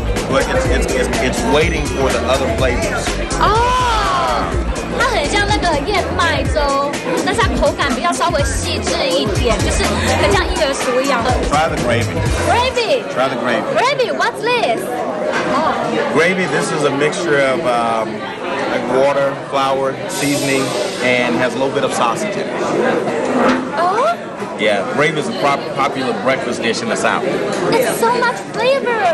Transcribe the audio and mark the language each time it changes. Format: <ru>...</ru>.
<en>But it's waiting for the other flavors.</en> <zh>哦，它很像那个燕麦粥，但是它口感比较稍微细致一点，就是很像婴儿食物一样的。</zh> <en>Try the gravy. Gravy. Try the gravy. Gravy, what's this? Gravy, this is a mixture of like water, flour, seasoning, and has a little bit of sausage in it. Yeah, gravy is a popular breakfast dish in the South. It's so much flavor.</en>